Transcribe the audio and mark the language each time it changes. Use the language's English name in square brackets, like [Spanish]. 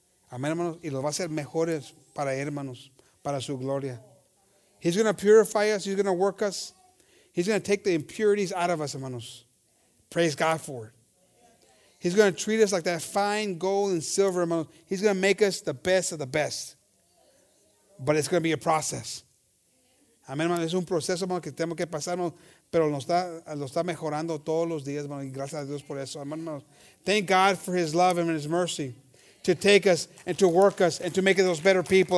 [Spanish] Amén, hermanos, y los va a hacer mejores para él, hermanos, para su gloria. [English] He's going to purify us. He's going to work us. He's going to take the impurities out of us, hermanos. Praise God for it. He's going to treat us like that fine gold and silver, hermanos. He's going to make us the best of the best. But it's going to be a process. Amén, hermanos. [Spanish] Es un proceso, hermanos, que tenemos que pasar, hermanos. Pero lo está mejorando todos los días, hermanos. Y gracias a Dios por eso, hermanos. [English] Thank God for his love and his mercy to take us and to work us and to make us those better people.